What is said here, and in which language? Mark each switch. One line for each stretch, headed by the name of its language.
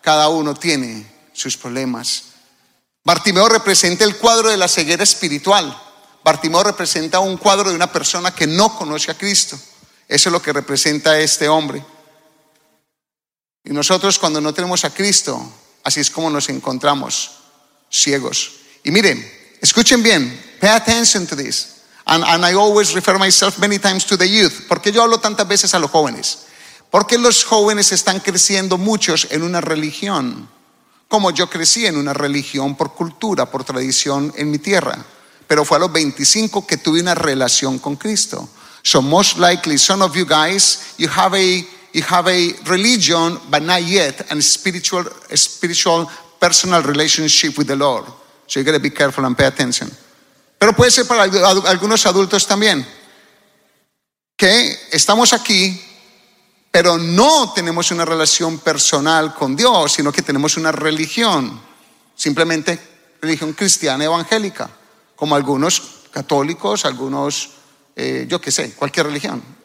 Spanish: Cada uno tiene sus problemas. Bartimeo representa el cuadro de la ceguera espiritual. Bartimeo representa un cuadro de una persona que no conoce a Cristo. Eso es lo que representa este hombre. Y nosotros, cuando no tenemos a Cristo, así es como nos encontramos, ciegos. Y miren, escuchen bien,
English: pay attention to this. And I always refer myself many times to the youth.
Spanish: ¿Por qué yo hablo tantas veces a los jóvenes? Porque los jóvenes están creciendo muchos en una religión, como yo crecí en una religión por cultura, por tradición en mi tierra. Pero fue a los 25 que tuve una relación con Cristo.
English: So most likely, some of you guys, you have a religion, but not yet, a spiritual personal relationship with the Lord. So you gotta be careful and pay attention.
Spanish: Pero puede ser para algunos adultos también, que estamos aquí, pero no tenemos una relación personal con Dios, sino que tenemos una religión, simplemente religión cristiana evangélica, como algunos católicos, algunos, yo qué sé, cualquier religión.